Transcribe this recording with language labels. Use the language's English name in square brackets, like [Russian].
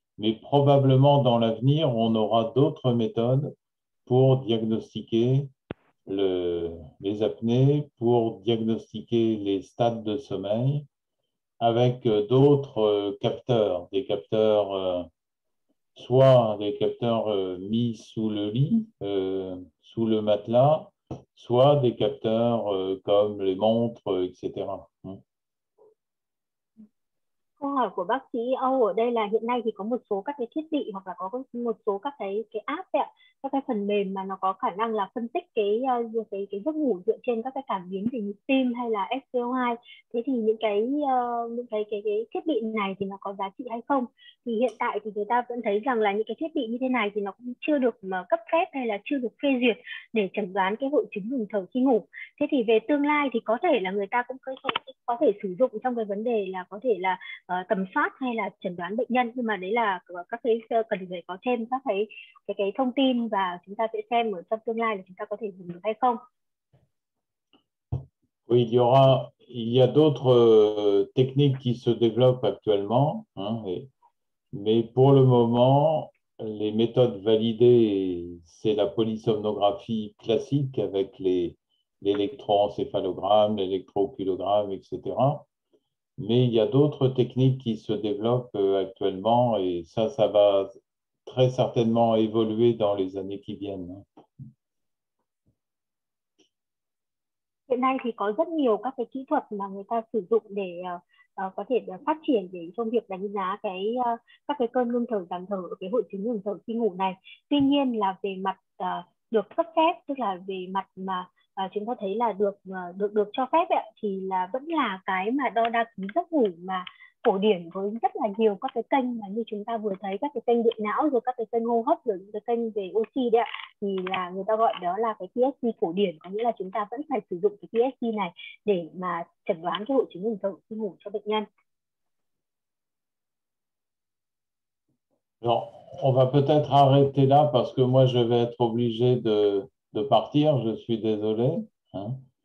[French] Mais probablement dans l'avenir, on aura d'autres méthodes pour diagnostiquer les apnées, pour diagnostiquer les stades de sommeil avec d'autres capteurs, des capteurs, soit des capteurs mis sous le lit, sous le matelas, soit des capteurs comme les montres, etc. [Vietnamese] Câu câu hỏi của bác sĩ Âu ở đây là hiện nay thì có một số các cái thiết bị hoặc là có một số các cái app ạ, các cái phần mềm mà nó có khả năng là phân tích cái giấc ngủ dựa trên các cái cảm biến về nhịp tim hay là SpO2. Thế thì những cái thiết bị này thì nó có giá trị hay không? Thì hiện tại thì người ta vẫn thấy rằng là những cái thiết bị như thế này thì nó cũng chưa được mà cấp phép hay là chưa được phê duyệt để chẩn đoán cái hội chứng ngừng thở khi ngủ. Thế thì về tương lai thì có thể là người ta cũng có thể sử dụng trong cái vấn đề là có thể là tầm soát hay là chẩn đoán bệnh nhân, nhưng mà đấy là các cái cần phải có thêm các cái thông tin và chúng ta sẽ xem ở trong tương lai là chúng ta có thể dùng được hay không. [French] Oui, il y a d'autres techniques qui se développent actuellement, hein, mais pour le moment, les méthodes validées, c'est la polysomnographie classique avec l'électroencéphalogramme, l'électrooculogramme, etc. Mais il y a d'autres techniques qui se développent actuellement et ça va très certainement évoluer dans les années qui viennent. [Vietnamese] Hiện nay thì có rất nhiều các cái kỹ thuật mà người ta sử dụng để có thể phát triển để trong việc đánh giá các cái cơn ngưng thở giảm thở, cái hội chứng ngừng thở khi ngủ này. Tuy nhiên là về mặt được cấp phép, tức là về mặt mà chúng ta thấy là được cho phép ấy, thì là vẫn là cái mà đo đa ký giấc ngủ mà phổ điển với rất là nhiều các cái kênh mà như chúng ta vừa thấy, các cái kênh điện não rồi các cái kênh hô hấp rồi những cái kênh về oxy đấy ạ, thì là người ta gọi đó là cái PSG phổ điển, có nghĩa là chúng ta vẫn phải sử dụng cái PSG này để mà chẩn đoán cái hội chứng ngừng thở khi ngủ cho bệnh nhân. [French] Bon, on va peut-être arrêter là parce que moi je vais être obligé de partir, je suis désolé, hein.